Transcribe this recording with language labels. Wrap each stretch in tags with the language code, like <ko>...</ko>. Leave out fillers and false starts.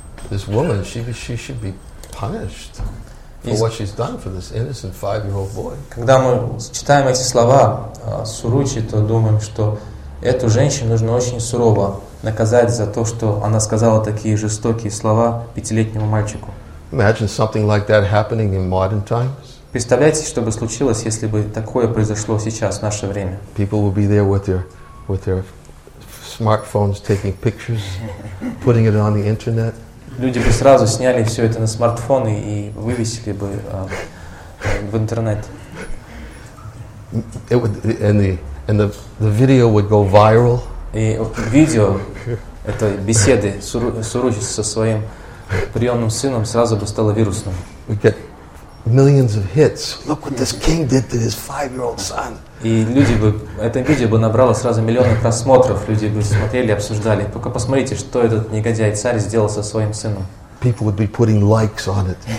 <en>This woman, she should be punished for what she's done for this innocent 5-year-old boy.</en> <ru>Когда мы читаем эти слова Суручи, то думаем, что эту женщину нужно очень сурово наказать за то, что она сказала такие жестокие слова 5-летнему мальчику.</ru> <en>Imagine something like that happening in modern times.</en> <ru>Представляете, что бы случилось, если бы такое произошло сейчас, в наше время?</ru> <en>People would be there with their smartphones taking pictures, putting it on the internet.</en> <ru>Люди бы сразу сняли все это на смартфоны и вывесили бы в интернет.</ru> <en>It would, and the video would go viral.</en> <ru>И видео этой беседы Суруджи со своим приемным сыном сразу бы стало вирусным.</ru> <en>We get millions of hits. Look what this king did to his five-year-old son.</en> <ru>И люди бы, это видео бы набрало сразу миллионы просмотров. Люди бы смотрели, обсуждали. Только посмотрите, что этот негодяй царь сделал со своим сыном.</ru> <en>People would be putting likes on it.</en>